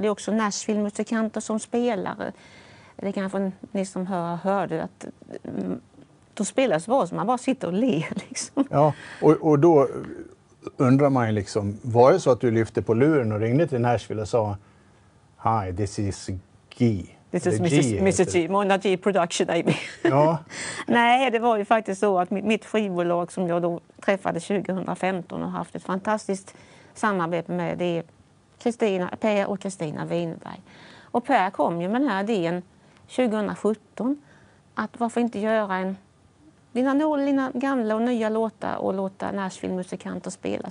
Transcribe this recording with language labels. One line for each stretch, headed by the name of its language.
Swedish: Det är också Nashville-musikanter som spelar. Det kan ni som hörde att de spelar så bra som man bara sitter och ler. Liksom. Ja, och då undrar man ju liksom, var det så att du lyfte på luren och ringde till Nashville och sa
English: Hi, this is Guy. This is Mrs. G, Mona G Production, Amy.
Swedish: Ja. Nej, det var ju faktiskt så att mitt skivbolag som jag då träffade 2015 och haft ett fantastiskt samarbete med, det är Per och Kristina Winberg. Och Per kom ju med den här idén 2017, att varför inte göra dina gamla och nya låtar och låta Nashville-musikanter spela.